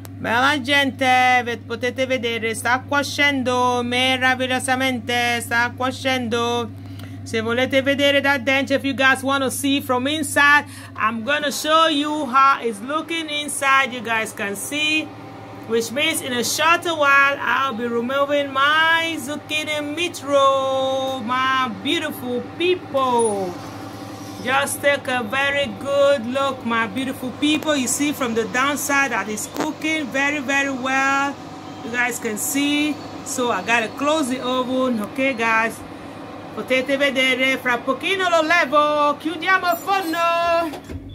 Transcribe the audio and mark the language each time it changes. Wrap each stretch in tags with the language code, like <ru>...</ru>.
<it>Bella gente, potete vedere, sta cuocendo meravigliosamente, sta cuocendo. Se volete vedere da dentro,</it> <en>if you guys want to see from inside, I'm gonna show you how it's looking inside. You guys can see, which means in a shorter while I'll be removing my zucchini meat roll. My beautiful people, just take a very good look, my beautiful people. You see from the downside that it's cooking very, very well. You guys can see. So I gotta close the oven.</en> <it>Okay guys, potete vedere, fra pochino lo levo, chiudiamo il forno.</it>